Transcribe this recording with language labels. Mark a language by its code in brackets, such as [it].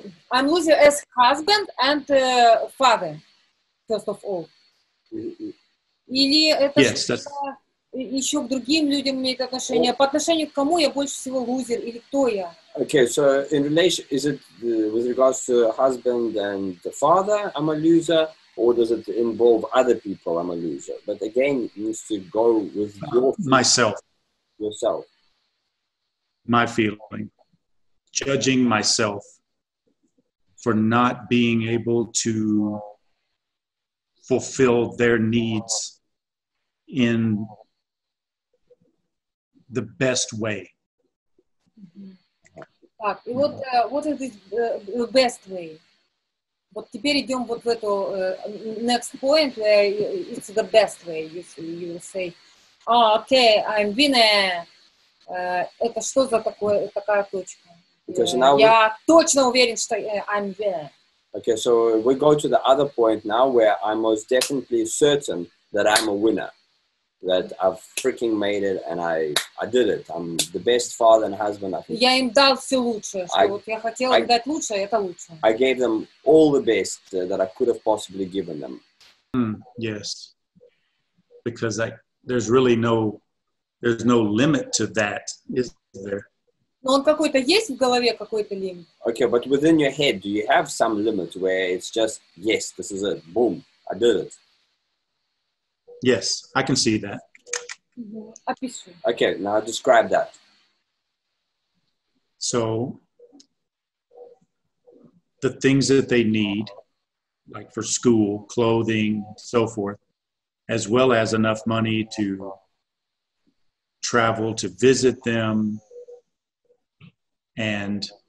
[en] I'm loser as husband and father, first of all. [ru] Или это [en] yes, [ru] еще к другим людям имеет отношение? Well, по отношению к кому я больше всего лузер? Или кто я? [en] Okay, so in relation, is it with regards to husband and the father, I'm a loser, or does it involve other people, I'm a loser? But again, it needs to go with your feeling. Myself. Yourself. My feeling. Judging myself for not being able to fulfill their needs in the best way. Mm-hmm. What is this best way? [ru] Вот теперь идем вот в эту [en] next point where it's the best way. You will say, oh, okay, I'm winner. [ru] Это что за такая точка? Я точно уверен, что [en] I'm winner. Okay, so we go to the other point now where I'm most definitely certain that I'm a winner. that I've freaking made it and I did it. I'm the best father and husband I [ru] think. Я им дал все лучшее, что вот я хотел им дать лучшее, это лучшее. [en] I gave them all the best that I could have possibly given them. Yes. Because there's no limit to that, is there? [ru] Но он какой-то есть в голове какой-то лимит. [en] Okay, but within your head, do you have some limit where it's just yes, this is it, boom, I did it. Yes, I can see that. Mm-hmm. Okay, now describe that. So, the things that they need, like for school, clothing, so forth, as well as enough money to travel to visit them, and